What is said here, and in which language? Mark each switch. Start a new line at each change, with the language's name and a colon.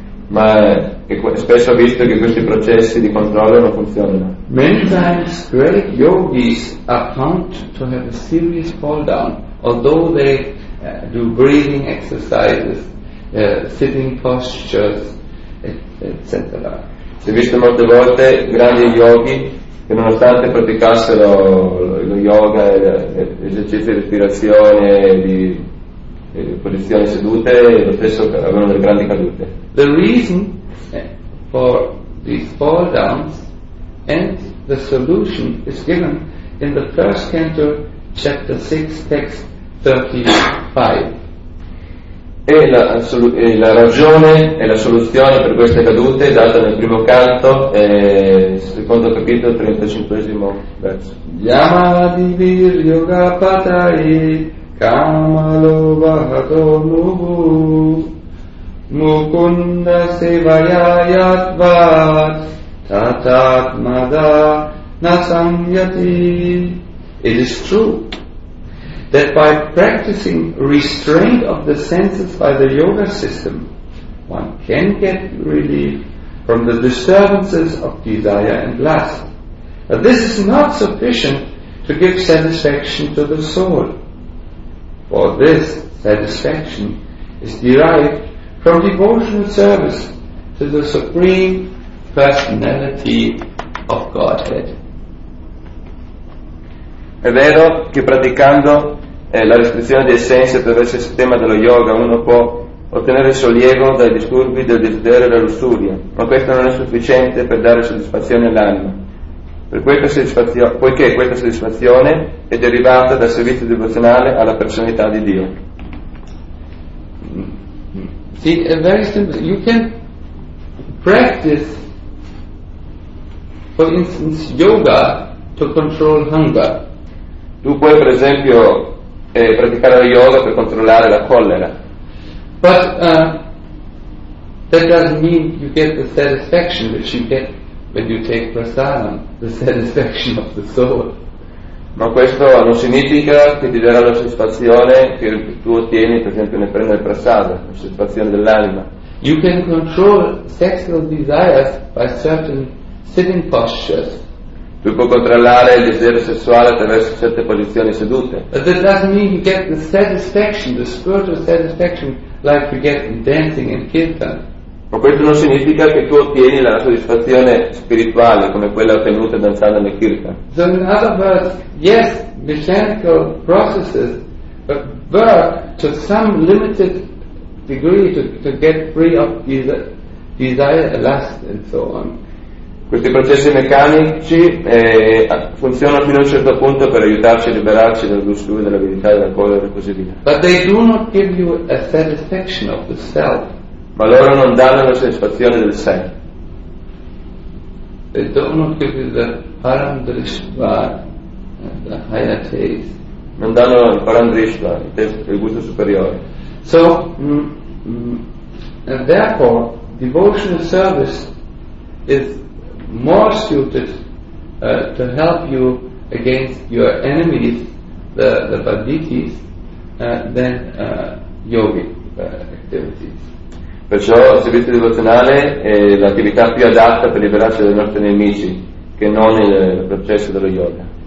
Italian: Ma è spesso visto che questi processi di controllo non funzionano.
English: Many times great yogis are found to have a serious fall down, although they do breathing exercises, sitting postures, etc.
Italian: Si è visto molte volte grandi yogi che nonostante praticassero lo yoga e esercizi di respirazione di posizioni sedute, lo stesso avevano delle grandi cadute.
English: The reason for these fall downs and the solution is given in the first canto, chapter 6, text 35.
Italian: E la ragione e la soluzione per queste cadute è data nel primo canto, secondo capitolo, 35esimo verso.
Sanskrit: Yamadivir yoga patai kamalo bahato nubu mukunda sevaya yatvat tatatmada nasamyati.
English: It is true that by practicing restraint of the senses by the yoga system, one can get relief from the disturbances of desire and lust. But this is not sufficient to give satisfaction to the soul. For this satisfaction is derived from devotional service to the Supreme Personality of Godhead.
Italian: È vero che praticando la restrizione dei sensi attraverso il sistema dello yoga uno può ottenere sollievo dai disturbi del desiderio e della lussuria, ma questo non è sufficiente per dare soddisfazione all'anima. Poiché questa soddisfazione è derivata dal servizio devozionale alla personalità di Dio.
English: See, very simple. You can practice, for instance, yoga to control hunger.
Italian: Tu puoi, per esempio, praticare lo yoga per controllare la collera.
English: But that doesn't mean you get the satisfaction which you get when you take prasadam, the satisfaction of the soul.
Italian: Ma questo non significa che ti darà la soddisfazione che tu ottieni, per esempio, nel prendere prasada, la soddisfazione dell'anima.
English: You can control sexual desires by certain sitting postures.
Italian: Tu puoi controllare il desiderio sessuale attraverso certe posizioni sedute.
English: But that doesn't mean you get the satisfaction, the spiritual satisfaction, like you get in dancing and kirtan.
Italian: Ma questo non significa che tu ottieni la soddisfazione spirituale come quella ottenuta danzando nel kirtan.
English: So in other words, yes, mechanical processes work to some limited degree to get free of desire, lust and so on.
Italian: Questi processi meccanici funzionano fino a un certo punto per aiutarci a liberarci dal gusto, dell'abilità, della colera e così via.
English: But they do not give you a satisfaction of the self.
Italian: Ma loro non danno la soddisfazione del sé.
English: They do not give you the parandrishva, the higher taste.
Italian: Non danno il parandrishva, il gusto superiore.
English: So, and therefore, devotional service is more suited to help you against your enemies, the banditis, than yogic activities.
Italian: Perciò il servizio devozionale è l'attività più adatta per liberarsi dai nostri nemici che non il processo dello yoga.